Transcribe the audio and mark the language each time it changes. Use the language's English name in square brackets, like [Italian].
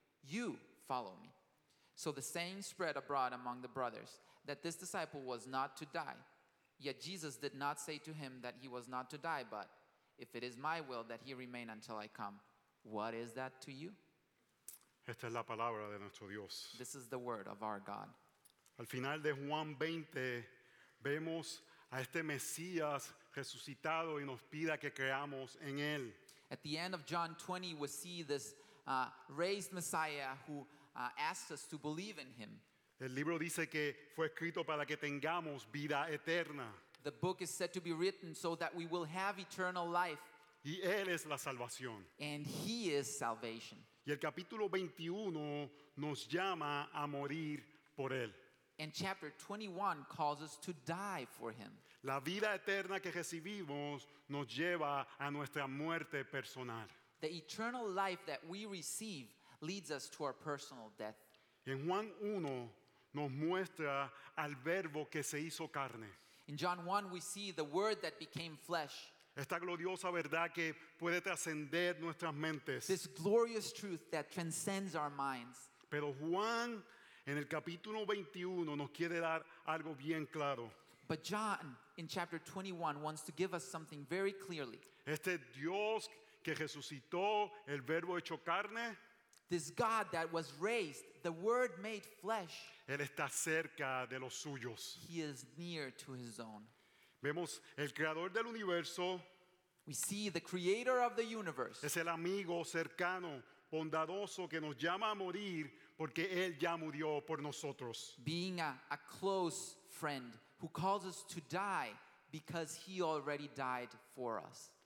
[English] You follow me." So the saying spread abroad among the brothers that this disciple was not to die. Yet Jesus did not say to him that he was not to die, but, "If it is my will that he remain until I come, what is that to you?" [Spanish] Esta es la palabra de nuestro Dios. [English] This is the word of our God. [Spanish] Al final de Juan 20, vemos a este Mesías resucitado y nos pida que creamos en él. [English] At the end of John 20, we see this raised Messiah who asks us to believe in him. [Spanish] El libro dice que fue escrito para que tengamos vida eterna. [English] The book is said to be written so that we will have eternal life. [Spanish] Y él es la salvación. [English] And he is salvation. [Spanish] Y el capítulo 21 nos llama a morir por él. [English] And chapter 21 calls us to die for him. [Spanish] La vida eterna que recibimos nos lleva a nuestra muerte personal. [English] The eternal life that we receive leads us to our personal death. [Spanish] En Juan 1 nos muestra al Verbo que se hizo carne. [English] In John 1 we see the word that became flesh. [Spanish] Esta gloriosa verdad que puede trascender nuestras mentes. [English] This glorious truth that transcends our minds. [Spanish] Pero Juan en el capítulo 21 nos quiere dar algo bien claro. [English] But John in chapter 21 wants to give us something very clearly. [Spanish] Este Dios que resucitó el Verbo hecho carne. [English] This God that was raised, the Word made flesh. [Spanish] Él está cerca de los suyos. [English] He is near to his own. [Spanish] Vemos el creador del universo. [English] We see the creator of the universe. [Spanish] Es el amigo cercano, bondadoso, que nos llama a morir porque él ya murió por nosotros. [English] Being a close friend who calls us to die because he already died for us.